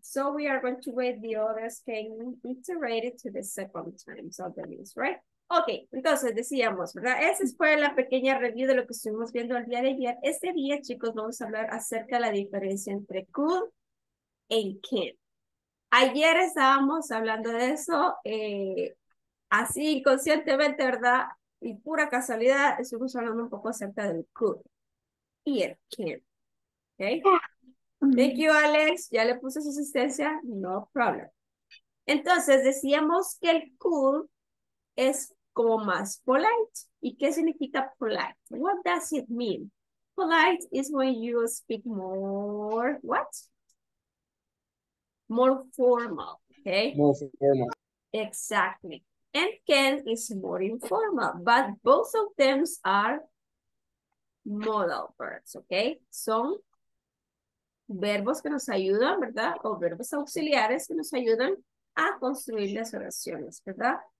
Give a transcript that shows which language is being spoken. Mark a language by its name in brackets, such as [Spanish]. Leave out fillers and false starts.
[English] So we are going to wait the others can iterate it to the second time. So that means, right? Ok, [Spanish] entonces decíamos, ¿verdad? Esa fue la pequeña review de lo que estuvimos viendo el día de ayer. Este día, chicos, vamos a hablar acerca de la diferencia entre could and can. Ayer estábamos hablando de eso, así inconscientemente, ¿verdad? Y pura casualidad, estuvimos hablando un poco acerca del could y el can. ¿Ok? [English] Thank you, [Spanish] Alex. Ya le puse su asistencia. [English] No problem. [Spanish] Entonces, decíamos que el could es como más polite. ¿Y qué significa [English] polite? What does it mean? Polite is when you speak more, what? More formal, okay? More formal. Exactly. And can is more informal, but both of them are modal verbs, okay? [Spanish] Son verbos que nos ayudan, ¿verdad? O verbos auxiliares que nos ayudan a construir las oraciones, ¿verdad?